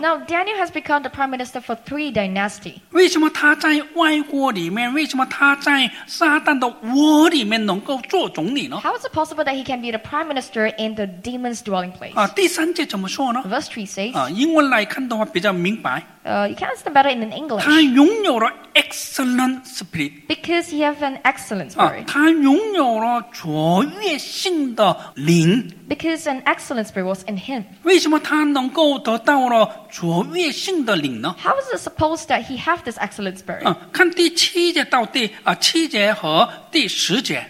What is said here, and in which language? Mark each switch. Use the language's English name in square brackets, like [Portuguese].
[English] Now Daniel has become the prime minister for 3 dynasty. [Chinese] 为什么他在外国里面，为什么他在撒旦的窝里面能够做总理呢？ [English] How is it possible that he can be the prime minister in the demon's dwelling place? [Chinese] 第三节怎么说呢？ [English] Verse 3 says. [Chinese] 英文来看的话比较明白。 [English] You can answer better in English. [Chinese] 他拥有了 [English] excellent spirit. Because he has an excellent spirit. [Chinese] 他拥有了卓越性的灵. [English] Because an excellent spirit was in him. [Chinese] 为什么他能够得到了卓越性的灵呢? [English] How is it supposed that he has this excellent spirit? [Chinese] 看第七节到第七节和第十节.